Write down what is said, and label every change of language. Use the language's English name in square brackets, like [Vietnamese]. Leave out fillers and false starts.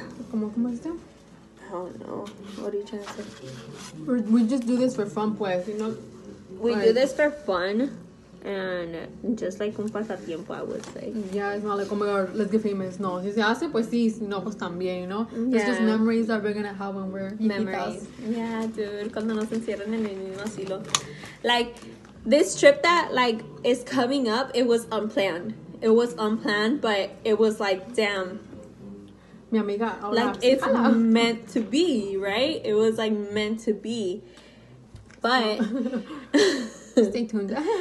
[Spanish] Como es esto? [English] I don't know. What are you trying to say? We just do this for fun, pues, you know? We do this for fun and just like [Spanish] un pasatiempo, [English] I would say. Yeah, it's not like, oh my god, let's get famous. No, [Spanish] si se hace, pues sí, si no, pues también, [English] you know? Yeah. It's just memories that we're gonna have when we're. Memories. Yeah, dude, [Spanish] cuando nos encierran en el mismo asilo. [English] Like, this trip that, like, is coming up, it was unplanned. It was unplanned, but it was like, damn. [Spanish] Mi amiga, [English] like, it's meant to be, right? It was, like, meant to be. But. Stay tuned.